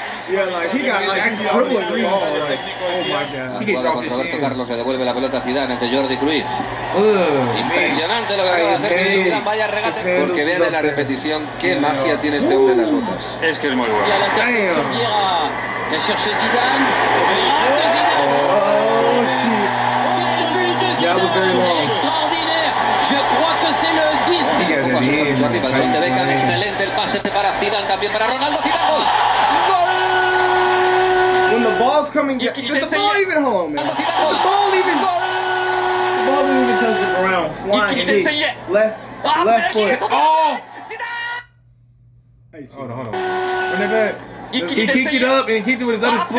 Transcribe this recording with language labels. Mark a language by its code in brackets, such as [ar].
[en] Yeah, like, he got, like, dribbling the ball, like, oh my God. He Jordi Cruyff. [es] Impresionante lo que acaba de hacer. Vaya regate. Porque vean en la repetición qué magia tiene este hombre en las botas. Es que es muy bueno. [fr] Damn. Le cherche Zidane. [en] Oh, shit. That was very long. [fr] Extraordinaire. Je crois que c'est le 19. [es] Excelente el pase para Zidane, también para Ronaldo. Zidane, gol. [en] The ball's coming. The ball didn't even touch the ground. Flying deep. Left foot. Hold on. He kicked it up and kicked it with his other foot.